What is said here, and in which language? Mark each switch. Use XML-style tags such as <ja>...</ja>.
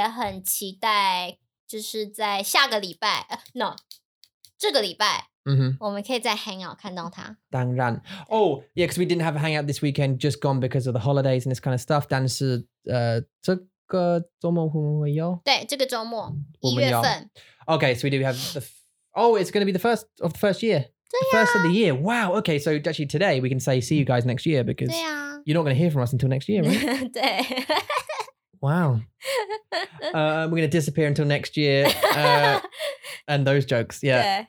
<zh>但是很高兴认识你，然后也很期待就是在下个礼拜 no. 这个礼拜, mm-hmm. 我们可以在 hangout 看到他。当然,</zh> <en>oh yeah, because we didn't have a hangout this weekend, just gone because of the holidays and this kind of stuff.</en> <zh>但是, 这个周末会不会有? 对，这个周末, 1月份。</zh> <en>Okay, so we do have the, it's going to be the first of the first year, the first of the year. Wow. Okay, so actually today we can say see you guys next year because you're not going to hear from us until next year, right?</en> <zh>对。</zh> <en>Wow. We're going to disappear until next year. And those jokes. Yeah.</en>